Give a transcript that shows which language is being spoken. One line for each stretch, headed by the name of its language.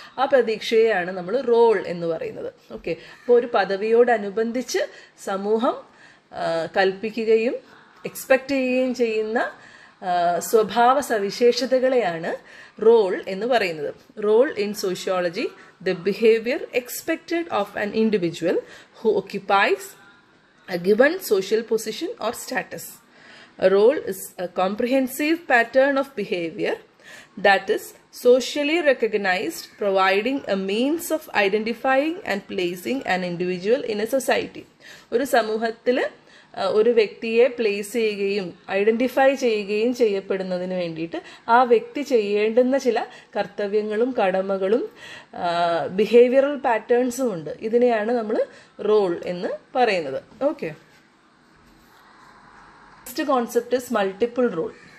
Malayalam: ആ പ്രതീക്ഷയാണ് നമ്മൾ റോൾ എന്ന് പറയുന്നത്. ഓക്കെ, അപ്പോൾ ഒരു പദവിയോടനുബന്ധിച്ച് സമൂഹം കൽപ്പിക്കുകയും എക്സ്പെക്റ്റ് ചെയ്യുകയും ചെയ്യുന്ന സ്വഭാവ സവിശേഷതകളെയാണ് റോൾ എന്ന് പറയുന്നത്.
English: Role in sociology, the behaviour expected of an individual who occupies a given social position or status. A role is a comprehensive pattern of behavior that is socially recognized, providing a means of identifying and placing an individual in a society.
Malayalam: ഒരു സമൂഹത്തിൽ ഒരു വ്യക്തിയെ place ചെയ്യുകയും identify ചെയ്യുകയും ചെയ്യപ്പെടുന്നതിന് വേണ്ടിയിട്ട് ആ വ്യക്തി ചെയ്യേണ്ടുന്ന ചില കർത്തവ്യങ്ങളും കടമകളും ബിഹേവിയറൽ പാറ്റേൺസും ഉണ്ട്. ഇതിനെയാണ് നമ്മൾ റോൾ എന്ന് പറയുന്നത്. Okay,
English: Next concept is multiple role.